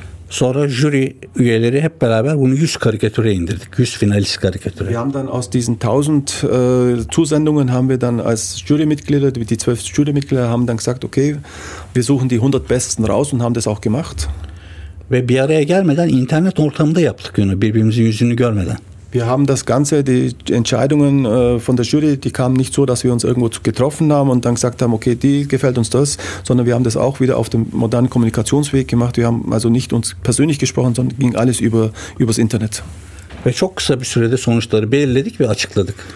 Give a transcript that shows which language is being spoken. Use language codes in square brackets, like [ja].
[tr] Sonra jüri üyeleri hep beraber bunu 100 karikatüre indirdik. 100 finalist karikatüre. [de] Wir haben dann aus diesen 1000 Zusendungen haben wir dann als Jurymitglieder, die 12 Jurymitglieder haben dann gesagt, okay, wir suchen die 100 besten raus und haben das auch gemacht. [tr] Ve bir araya gelmeden internet ortamında yaptık bunu, birbirimizin yüzünü görmeden. [de] Wir haben das Ganze, die Entscheidungen von der Jury, die kamen nicht so, dass wir uns irgendwo getroffen haben und dann gesagt haben, okay, die gefällt uns das, sondern wir haben das auch wieder auf dem modernen Kommunikationsweg gemacht. Wir haben also nicht uns persönlich gesprochen, sondern ging alles übers Internet. [tr] Ve çok kısa bir sürede sonuçları belirledik ve açıkladık.